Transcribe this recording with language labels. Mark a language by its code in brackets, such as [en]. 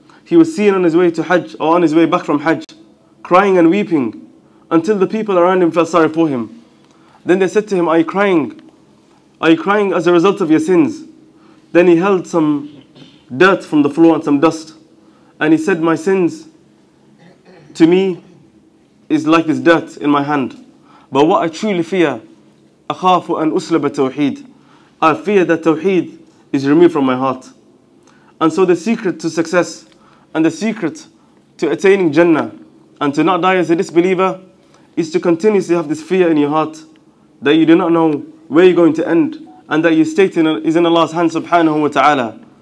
[en] He was seen on his way to Hajj or on his way back from Hajj, crying and weeping until the people around him felt sorry for him. Then they said to him, "Are you crying? Are you crying as a result of your sins?" Then he held some dirt from the floor and some dust. And he said, "My sins to me is like this dirt in my hand. But what I truly fear, [ar] أَخَافُ أَنْ أُسْلَبَ التوحيد. [en] I fear that tawheed is removed from my heart." And so the secret to success and the secret to attaining Jannah and to not die as a disbeliever is to continuously have this fear in your heart that you do not know where you're going to end and that your state is in Allah's hands subhanahu wa ta'ala.